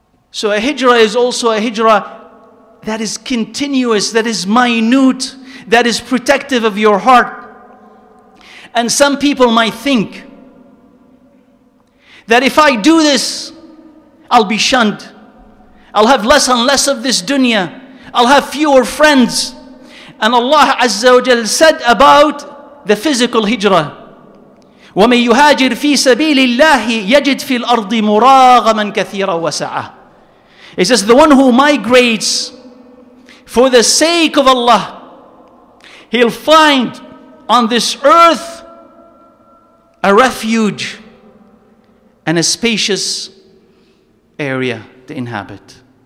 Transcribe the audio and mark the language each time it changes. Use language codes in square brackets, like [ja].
[en] So a hijrah is also a hijrah that is continuous, that is minute, that is protective of your heart. And some people might think that if I do this, I'll be shunned. I'll have less and less of this dunya. I'll have fewer friends. [ar] And Allah Azza wa Jal said about the physical hijrah, وَمَنْ يُهَاجِرْ فِي سَبِيلِ اللَّهِ يَجِدْ فِي الْأَرْضِ مُرَاغَمًا كَثِيرًا وَسَعَةً. [en] It says, the one who migrates for the sake of Allah, he'll find on this earth a refuge and a spacious area to inhabit.